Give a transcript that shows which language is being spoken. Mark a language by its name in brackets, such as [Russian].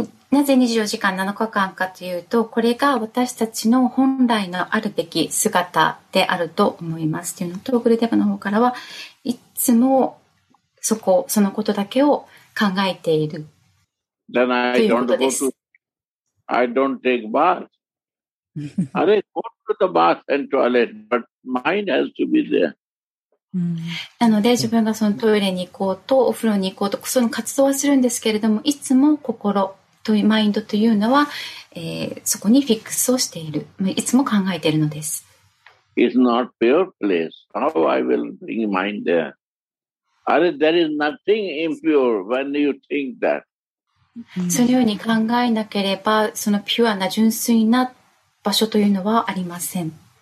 [Japanese] なぜ24時間7日間かというと、これが私たちの本来のあるべき姿であると思います。というのと、グルデバの方からはいつもそこ、そのことだけを考えている。 [English] Then I don't go to, I don't take bath. あれ、go to the bath and toilet, but mine has to be there. [Japanese] なので、自分がそのトイレに行こうと、お風呂に行こうと、その活動はするんですけれども、いつも心というマインドというのは、そこにフィックスをしている。いつも考えているのです。 [English] It's not pure place. How I will bring mine there? There is nothing impure when you think that. [Japanese] そのように考えなければ、そのピュアな純粋な場所というのはありません。